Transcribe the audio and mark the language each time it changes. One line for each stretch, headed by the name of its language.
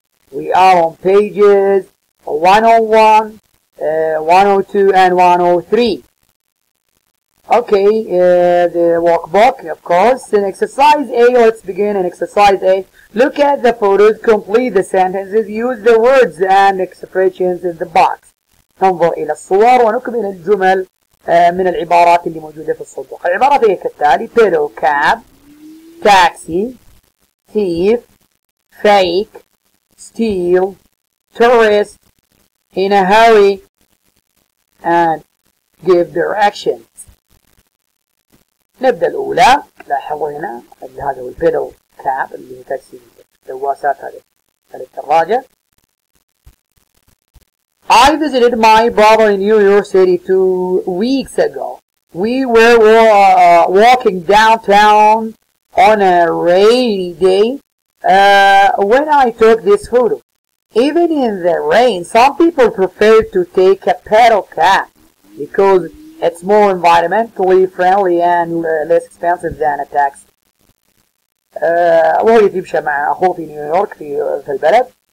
English: We are on pages 101, 102, and 103. Okay, the workbook, of course. In exercise A, let's begin in exercise A. Look at the photos, complete the sentences, use the words and expressions in the box.
Arabic: ننظر إلى الصور ونكمل الجمل من العبارات اللي موجودة في الصندوق. العبارات هي كالتالي:
English: pillow cab, taxi, thief, fake, steal, tourist, in a hurry, and give directions.
Arabic: نبدأ الأولى. لاحظوا هنا اللي هذا هو pillow cab اللي هي تاكسي دواسات الدراجة.
English: I visited my brother in New York City 2 weeks ago. We were walking downtown on a rainy day when I took this photo. Even in the rain, some people prefer to take a pedal cab because it's more environmentally friendly and less expensive than a taxi.
Arabic: وهو يتمشي مع أخوه في نيويورك في البلد.